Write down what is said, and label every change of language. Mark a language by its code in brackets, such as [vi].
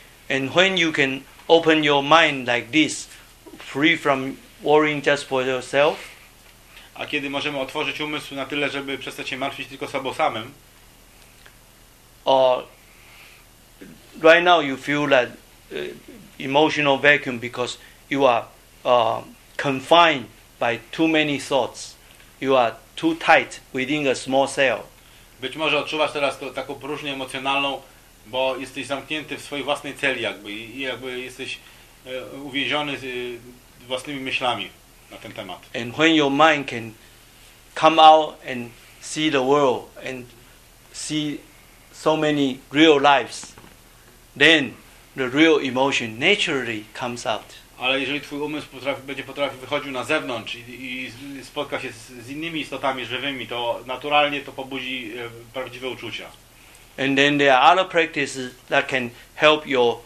[en] And when you can open your mind like this, free from worrying just for yourself. [pl] A kiedy możemy otworzyć umysł na tyle, żeby przestać się martwić tylko sobą samym? [en] Right now you feel that emotional vacuum because you are confined by too many thoughts. You are too tight within a small cell. [pl] Być może odczuwasz teraz taką próżnię emocjonalną, bo jesteś zamknięty w swojej własnej celi, jakby jesteś uwięziony własnymi myślami na ten temat. [en] And when your mind can come out and see the world and see so many real lives, then the real emotion naturally comes out. [pl] Ale jeżeli twój umysł będzie potrafił wychodził na zewnątrz i spotka się z innymi istotami żywymi, to naturalnie to pobudzi prawdziwe uczucia. [en] And then there are other practices that can help your